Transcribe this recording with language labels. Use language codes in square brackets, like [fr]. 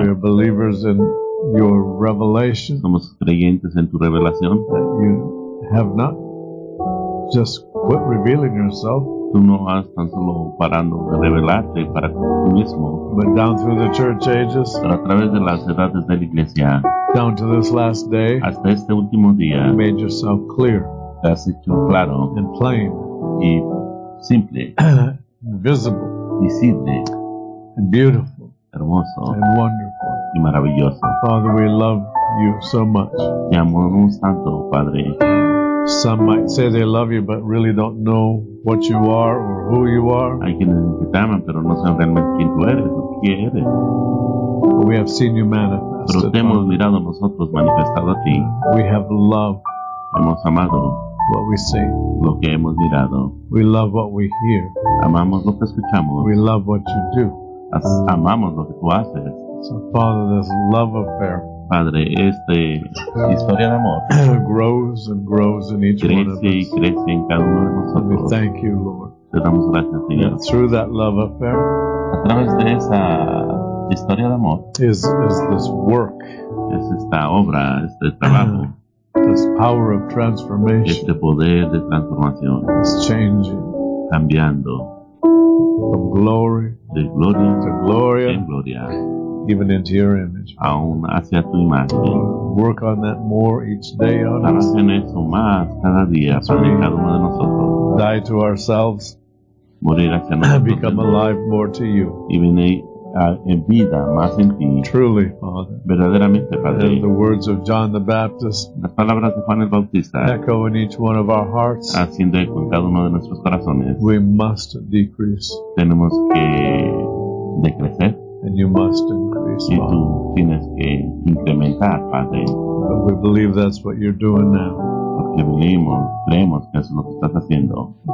[en] We are believers in your revelation. [es] Somos creyentes en tu revelación. [en] You have not just quit revealing yourself. [es] Tú no has tan solo parando de revelarte para tú mismo. [en] But down through the church ages. [es] A través de las edades de la iglesia. [en] Down to this last day. [es] Hasta este último día. [en] You made yourself clear. [es] Te has hecho claro. [en] And plain. [es] Y simple. [en] Visible. [es] Visible. [en] And beautiful. [es] Hermoso [en] and wonderful. [es] Y maravilloso. [en] Father, we love you so much. [es] Te amamos tanto, Padre. [en] Some might say they love you, but really don't know what you are or who you are. [es] Hay quienes te aman, pero no saben realmente quién tú eres o quién eres. [en] But we have seen you manifested. [es] Pero te hemos mirado nosotros manifestado a ti. [en] We have loved. [es] Hemos amado. [en] What we see. [es] Lo que hemos mirado. [en] We love what we hear. [es] Amamos lo que escuchamos. [en] We love what you do. [es] Amamos lo que tú haces. [en] So, Father, this love affair, [es] Padre, esta historia de amor [en] grows and grows in each [es] crece [en] one of us. [es] Y crece en cada uno de nosotros. [en] We thank you, Lord. [es] Te damos gracias, Señor. [en] And through that love affair, [es] a través de esa historia de amor, [en] is this work, [es] es esta obra, este trabajo, [en] this power of transformation, [es] este poder de transformación, [en] is changing, [es] cambiando. [en] From glory [es] de gloria, [en] to gloria, [es] en gloria, [en] even into your image. [es] Aún hacia tu imagen. [en] Work on that more each day on us. [es] En eso más cada día para cada uno de nosotros. [en] Die to ourselves. [es] Morir hacia nosotros. [en] Become alive more to you. [es] Y venir en vida más en ti. [en] Truly, Father. [es] Verdaderamente, Padre. [en] The words of John the Baptist. [es] Las palabras de Juan el Bautista. [en] Echo in each one of our hearts. [es] Haciendo eco en cada uno de nuestros corazones. [en] We must decrease. [es] Tenemos que decrecer. [en] And you must increase. [es] Y tú tienes que incrementar, Padre. [en] But we believe that's what you're doing now. [es] Porque venimos, creemos que eso es lo que estás haciendo.